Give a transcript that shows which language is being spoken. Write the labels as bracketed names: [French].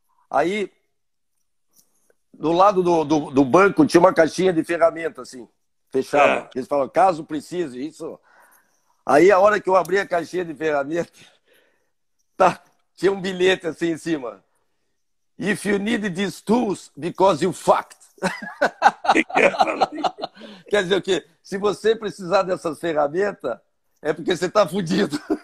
[Portuguese] Aí, do lado do banco, tinha uma caixinha de ferramenta, assim, fechada. É. Eles falam, caso precise, isso. Aí, a hora que eu abri a caixinha de ferramenta, tá, tinha um bilhete, assim, em cima. [English] If you need these tools, because you fucked. [Portuguese] Quer dizer o quê? Se você precisar dessas ferramentas, é porque você tá fudido.